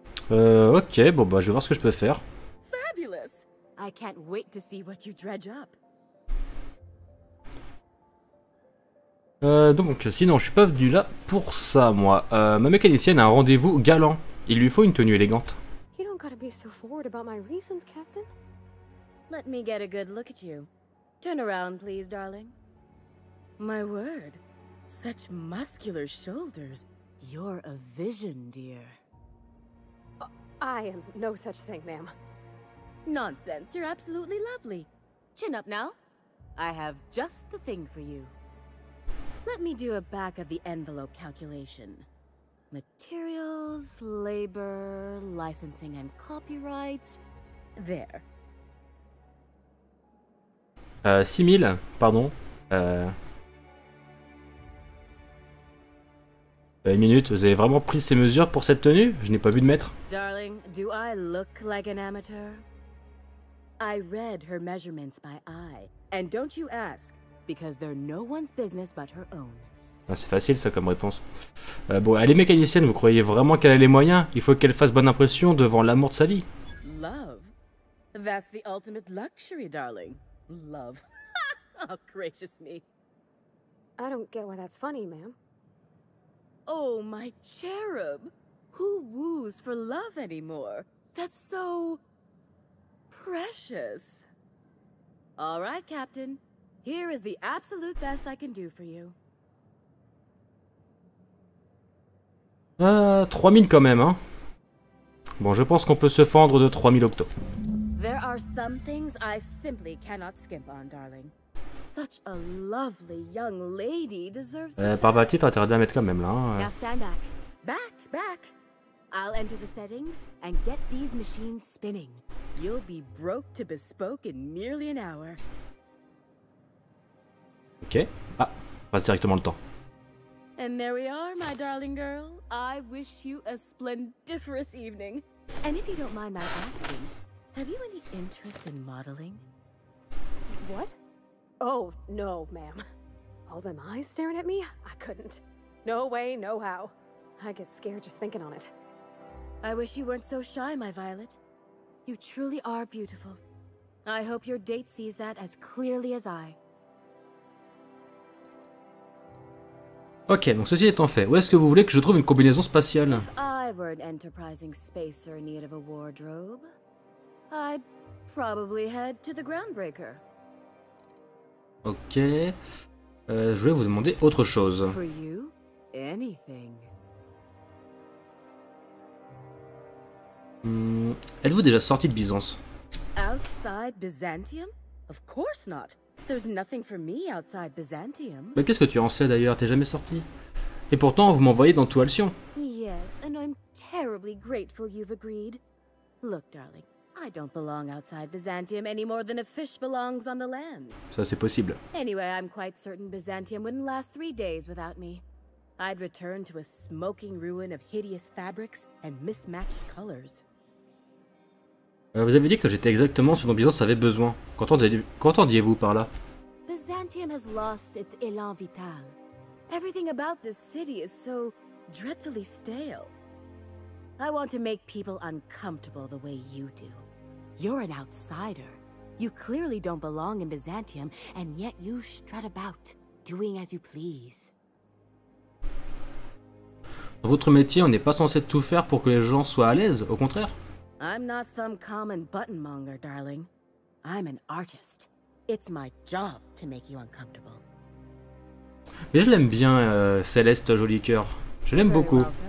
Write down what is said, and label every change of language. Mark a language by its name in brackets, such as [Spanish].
[French] Ok, bon bah je vais voir ce que je peux faire. [English] Fabulous! I can't wait to see what you dredge up. [French] Donc, sinon, je suis pas venu là pour ça, moi. Ma mécanicienne a un rendez-vous galant. Il lui faut une tenue élégante. [English] You don't gotta be so forward about my reasons, Captain. Let me get a good look at you. Turn around, please, darling. My word. Such muscular shoulders. You're a vision, dear. I am no such thing, ma'am. Nonsense, you're absolutely lovely. Chin up now. I have just the thing for you. Let me do a back of the envelope calculation. Materials, labor, licensing and copyright. There. 6000, pardon. [French] Une minute, vous avez vraiment pris ces mesures pour cette tenue? Je n'ai pas vu de maître. [English] Darling, do I look like an amateur? I read her measurements by eye, and don't you ask. Because they're no one's business but her own. [French] Ah, c'est facile ça comme réponse. Bon, elle est mécanicienne, vous croyez vraiment qu'elle a les moyens? Il faut qu'elle fasse bonne impression devant l'amour de sa vie. [English] Love? That's the ultimate luxury, darling. Love. Oh, gracious me. I don't get why that's funny, ma'am. Oh, my cherub. Who woos for love anymore? That's so... precious. All right, Captain. Here is the absolute best I can do for you. [French] 3000 quand même, hein. Bon, je pense qu'on peut se fendre de 3000 octo. [English] There are some things I simply cannot skimp on, darling. Such a lovely young lady deserves the [French] Par bâti, t'as intérêt à mettre quand même là. [English] Now stand back. Back, back. I'll enter the settings and get these machines spinning. You'll be broke to bespoke in nearly an hour. [French] Ok. Ah, passe directement le temps. [English] And there we are, my darling girl. I wish you a splendiferous evening. And if you don't mind my asking, Have you any interest in modeling? What? Oh, no, ma'am. All them eyes staring at me? I couldn't. No way, no how. I get scared just thinking on it. I wish you weren't so shy, my Violet. You truly are beautiful. I hope your date sees that as clearly as I. [French] Ok, donc ceci étant fait, où est-ce que vous voulez que je trouve une combinaison spatiale ? [English] If I were an enterprising spacer in need of a wardrobe, I'd probably head to the groundbreaker. [French] Ok, je vais vous demander autre chose. [English] For you, anything. [French] Êtes-vous déjà sorti de Byzance ? [English] Outside Byzantium ? Of course not. There's nothing for me outside Byzantium. [French] Mais qu'est-ce que tu en sais d'ailleurs? T'es jamais sorti. Et pourtant, vous m'envoyez dans tout Alcyon. [English] Yes, and I'm terribly grateful you've agreed. Look, darling, I don't belong outside Byzantium any more than a fish belongs on the land. [French] Ça, c'est possible. [English] Anyway, I'm quite certain Byzantium wouldn't last 3 days without me. I'd return to a smoking ruin of hideous fabrics and mismatched colors. [French] Vous avez dit que j'étais exactement ce dont Byzance avait besoin. Qu'entendiez-vous par là ? [English] Byzantium has lost its élan vital. Everything about this city is so dreadfully stale. I want to make people uncomfortable the way you do. You're an outsider. You clearly don't belong in Byzantium, and yet you strut about, doing as you please. [French] Dans votre métier, on n'est pas censé tout faire pour que les gens soient à l'aise, au contraire. [English] I'm not some common button monger, darling. I'm an artist. It's my job to make you uncomfortable. [French] Mais je l'aime bien, Céleste Joli Cœur. Je l'aime beaucoup.